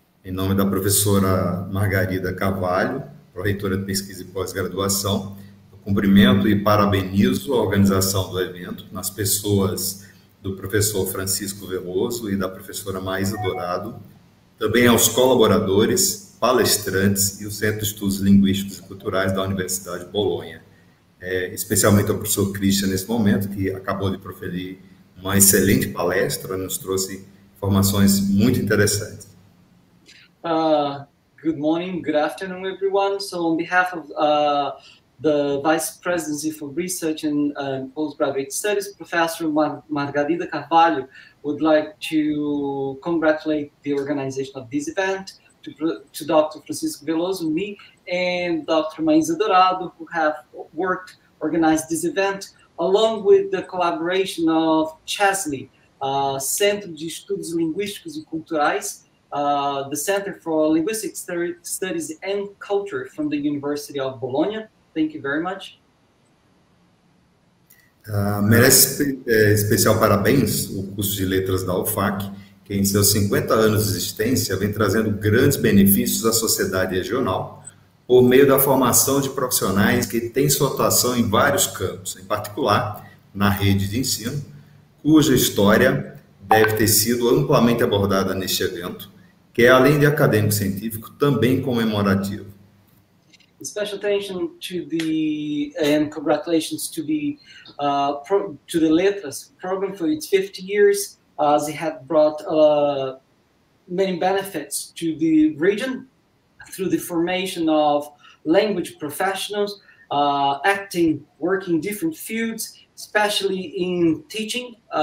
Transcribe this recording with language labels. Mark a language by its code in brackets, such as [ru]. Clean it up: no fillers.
[pt] Em nome da professora Margarida Carvalho, pró-reitora de pesquisa e pós-graduação, cumprimento e parabenizo a organização do evento nas pessoas do professor Francisco Veloso e da professora Maísa Dourado, também aos colaboradores, palestrantes e o Centro de Estudos Linguísticos e Culturais da Universidade de Bologna. Especialmente ao professor Christian, nesse momento, que acabou de proferir uma excelente palestra, nos trouxe informações muito interessantes. [en] Good morning, good afternoon, everyone. So, on behalf of the Vice Presidency for Research and Postgraduate Studies, Professor Margarida Carvalho would like to congratulate the organization of this event, to Dr. Francisco Veloso, me, and Dr. Maísa Dourado, who have worked, organized this event, along with the collaboration of CeSLiC, Centro de Estudos Linguísticos e Culturais, the Center for Linguistics Studies and Culture from the University of Bologna. Thank you very much. [pt] Merece especial parabéns o curso de letras da UFAC, que em seus 50 anos de existência vem trazendo grandes benefícios à sociedade regional por meio da formação de profissionais que têm sua atuação em vários campos, em particular na rede de ensino, cuja história deve ter sido amplamente abordada neste evento, que é, além de acadêmico-científico, também comemorativo. [en] Special attention to the and congratulations to the to the Letras program for its 50 years, as it had brought many benefits to the region through the formation of language professionals acting, working different fields, especially in teaching,